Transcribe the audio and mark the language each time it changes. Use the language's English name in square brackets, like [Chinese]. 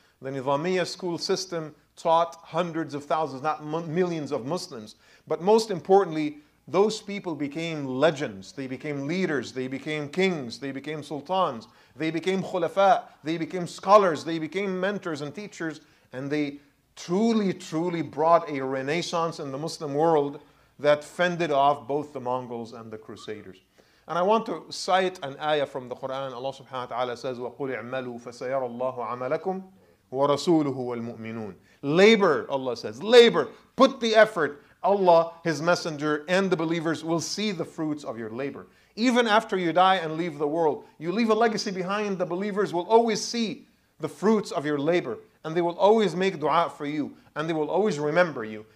[English] The Nizamiya school system taught hundreds of thousands, not millions of Muslims, but most importantly, those people became legends, they became leaders, they became kings, they became sultans, they became khulafa, they became scholars, they became mentors and teachers, and they truly, truly brought a renaissance in the Muslim world that fended off both the Mongols and the Crusaders. And I want to cite an ayah from the Quran. [Arabic] Allah subhanahu wa ta'ala says, وَقُلِ اعْمَلُوا فَسَيَرَى اللَّهُ عَمَلَكُمْ وَرَسُولُهُ وَالْمُؤْمِنُونَ. [English] Labor, Allah says, labor, put the effort. Allah, His Messenger, and the believers will see the fruits of your labor. Even after you die and leave the world, you leave a legacy behind, the believers will always see the fruits of your labor. And they will always make dua for you. And they will always remember you.